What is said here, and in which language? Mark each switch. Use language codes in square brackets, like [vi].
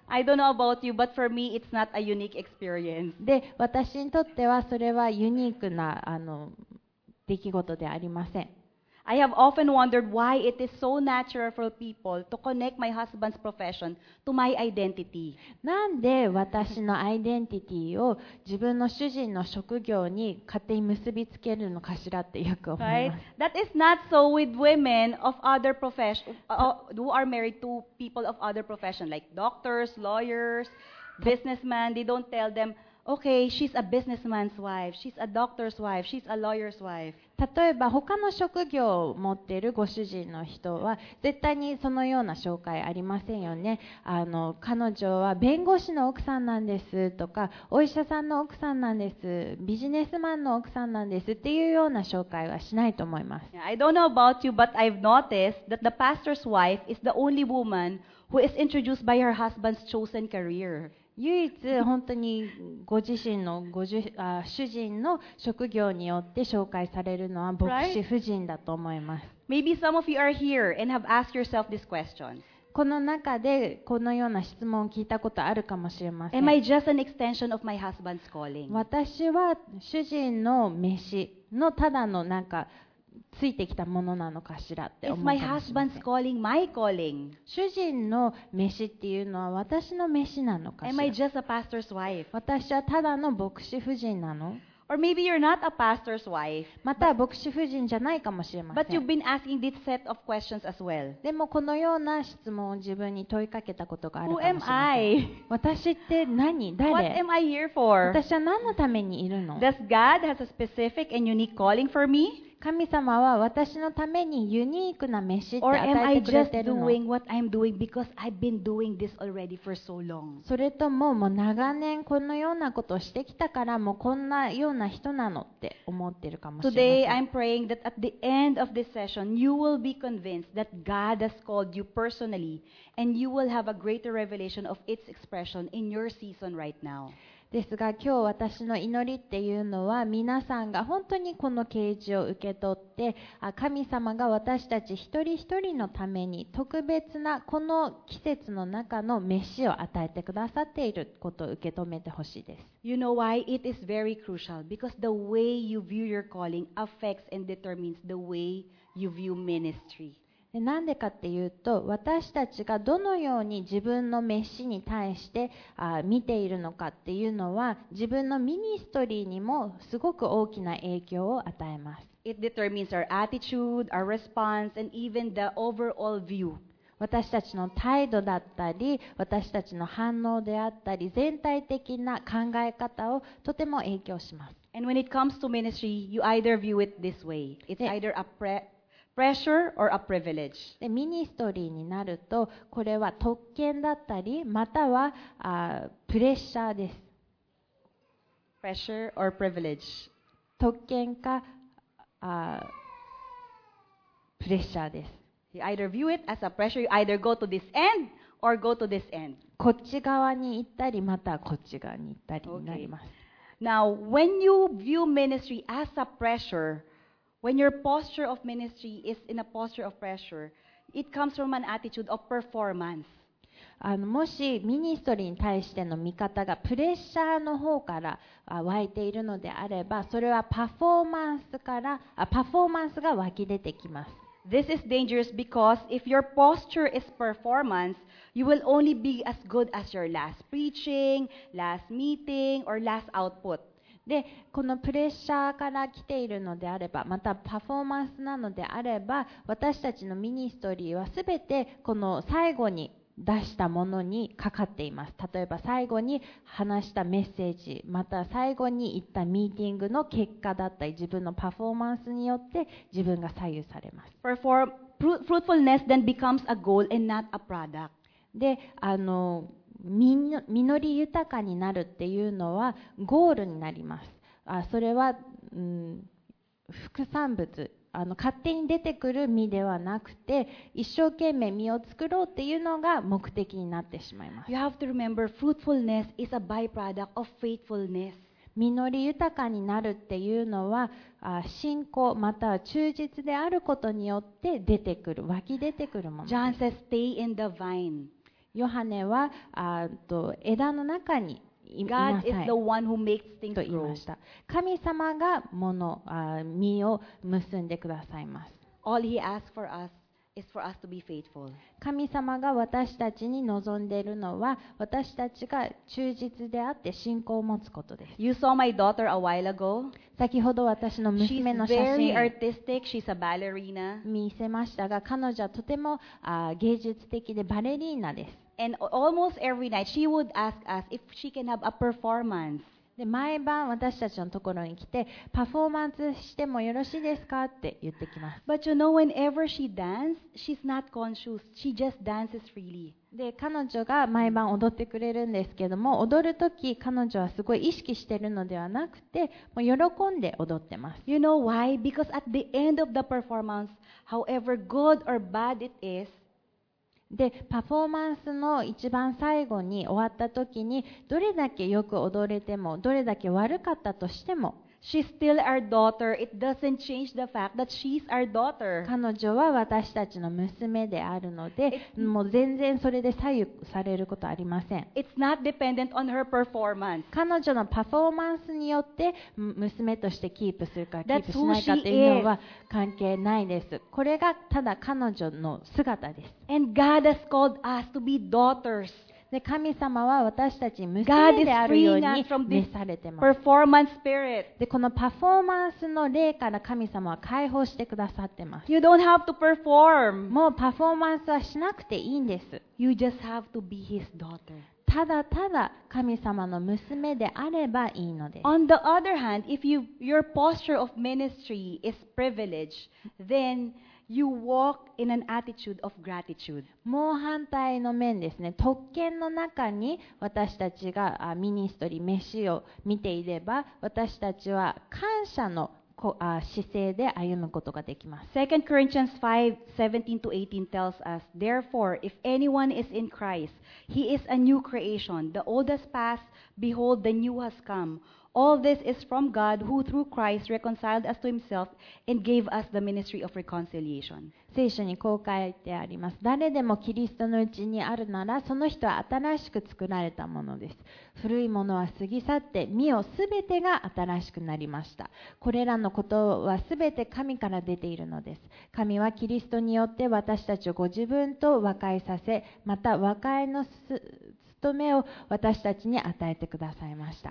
[en] I don't know about you, but for me, it's not a unique experience. [ja] で、私にとってはそれはユニークな、出来事ではありません。 [en] I have often wondered why it is so natural for people to connect my husband's profession to my identity. [ja] なんで私のアイデンティティを自分の主人の職業に勝手に結びつけるのかしらってよく思います。 [en] Right? That is not so with women of other profession, who are married to people of other profession, like doctors, lawyers, businessmen. They don't tell them, okay, she's a businessman's wife, she's a doctor's wife, she's a lawyer's wife. [ja] 例えば他の職業を持っているご主人の人は絶対にそのような紹介ありませんよね。彼女は弁護士の奥さんなんですとか、お医者さんの奥さんなんです、ビジネスマンの奥さんなんですっていうような紹介はしないと思います。 [en] I don't know about you, but I've noticed that the pastor's wife is the only woman who is introduced by her husband's chosen career. [ja] 唯一本当にご自身のご主人の職業によって紹介されるのは牧師夫人だと思います。 [en] Right? Maybe some of you are here and have asked yourself this question. [ja] この中でこのような質問を聞いたことあるかもしれません。 [en] Am I just an extension of my husband's calling? [ja] 私は主人の召しのただのなんかついてきたものなのかしらって思ったんです。 [en] Is my husband's calling my calling? [ja] 主人の召しっていうのは私の召しなのかしら。 [en] Am I just a pastor's wife? [ja] 私はただの牧師夫人なの。 [en] Or maybe you're not a pastor's wife. [ja] また牧師夫人じゃないかもしれません。 [en] But you've been asking this set of questions as well. [ja] でもこのような質問を自分に問いかけたことがあるかもしれません。 [en] Who am I? [ja] 私って何？誰？ [en] What am I here for? [ja] 私は何のためにいるの？ [en] Does God have a specific and unique calling for me? [ja] 神様は私のためにユニークな召しって与えてくれてるの？ [en] Or am I just doing what I'm doing because I've been doing this already for so long? [ja] それとももう長年このようなことをしてきたからもうこんなような人なのって思ってるかもしれません。 [en] Today I'm praying that at the end of this session you will be convinced that God has called you personally and you will have a greater revelation of its expression in your season right now. [ja] ですが今日私の祈りっていうのは皆さんが本当にこの啓示を受け取って神様が私たち一人一人のために特別なこの季節の中の召しを与えてくださっていることを受け止めてほしいです。 [en] You know why it is very crucial? Because the way you view your calling affects and determines the way you view ministry. [ja] なんでかっていうと私たちがどのように自分の召しに対して見ているのかっていうのは自分のミニストリーにもすごく大きな影響を与えます。 [en] It determines our attitude, our response, and even the overall view. [ja] 私たちの態度だったり私たちの反応であったり全体的な考え方をとても影響します。 [en] And when it comes to ministry, you either view it this way. It's either a pressure or a privilege. [ja] で、ミニストリーになるとこれは特権だったりまたはプレッシャーです。 [en] Pressure or privilege. [ja] 特権かプレッシャーです。 [en] You either view it as a pressure, you either go to this end or go to this end. [ja] こっち側に行ったりまたはこっち側に行ったりになります。 [en] Okay. Now, when you view ministry as a pressureWhen your posture of ministry is in a posture of pressure, it comes from an attitude of performance. [ja] もしミニストリーに対しての見方がプレッシャーの方から湧いているのであれば、それはパフォーマンスが湧き出てきます。 [en] This is dangerous because if your posture is performance, you will only be as good as your last preaching, last meeting, or last output. [ja] で、このプレッシャーから来ているのであれば、またパフォーマンスなのであれば、私たちのミニストリーはすべてこの最後に出したものにかかっています。例えば最後に話したメッセージ、また最後に行ったミーティングの結果だったり、自分のパフォーマンスによって自分が左右されます。 [en] Fruitfulness then becomes a goal and not a product. [ja] で、実り豊かになるっていうのはゴールになります。それは、副産物、勝手に出てくる実ではなくて、一生懸命実を作ろうっていうのが目的になってしまいます。 [en] You have to remember, fruitfulness is a byproduct of faithfulness. [ja] 実り豊かになるっていうのは、信仰または忠実であることによって出てくる、湧き出てくるものです。 [en] John says, stay in the vine. [ja] ヨハネは枝の中にいなさい。 [en] God is the one who makes things grow. [ja] と言いました。神様が実を結んでくださいます。 [en] All he asks for us is for us to be faithful. [ja] 神様が私たちに望んでいるのは、私たちが忠実であって信仰を持つことです。 [en] You saw my daughter a while ago. [ja] 先ほど私の娘の写真を [en] She's very artistic. She's a ballerina. [ja] 見せましたが、彼女はとても芸術的でバレリーナです。 [en] And almost every night she would ask us if she can have a performance. [ja] で毎晩私たちのところに来てパフォーマンスしてもよろしいですかって言ってきます。 [en] But you know, whenever she dance, she's not conscious. She just dances freely. [ja] で彼女が毎晩踊ってくれるんですけども、踊るとき彼女はすごい意識してるのではなくて、もう喜んで踊ってます。 [en] You know why? Because at the end of the performance, however good or bad it is. [ja] でパフォーマンスの一番最後に終わった時にどれだけよく踊れてもどれだけ悪かったとしても [en] She's still our daughter. It doesn't change the fact that she's our daughter. [ja] 彼女は私たちの娘であるので、もう全然それで左右されることはありません。 [en] It's not dependent on her performance. [ja] 彼女のパフォーマンスによって娘としてキープするかキープしないかというのは関係ないです。これがただ彼女の姿です。 [en] And God has called us to be daughters. [ja] で神様は私たち娘であるように召されてます。 [en] Performance spirit. [ja] でこのパフォーマンスの霊から神様は解放してくださってます。 [en] You don't have to perform. [ja] もうパフォーマンスはしなくていいんです。 [en] You just have to be his daughter. [ja] ただただ神様の娘であればいいのです。 [en] On the other hand, if you, your posture of ministry is privileged, then... You walk in an attitude of gratitude. [ja] もう反対の面ですね。特権の中に私たちがミニストリー、飯を見ていれば、私たちは感謝の姿勢で歩むことができます。 [en] 2 Corinthians 5:17-18 tells us, Therefore, if anyone is in Christ, he is a new creation. The old has passed, behold, the new has come. All this is from God who through Christ reconciled us to himself and gave us the ministry of reconciliation. [ja] 聖書にこう書いてあります。誰でもキリストのうちにあるなら、その人は新しく作られたものです。古いものは過ぎ去って、見よ、すべてが新しくなりました。これらのことはすべて神から出ているのです。神はキリストによって私たちをご自分と和解させ、また和解の務めを私たちに与えてくださいました。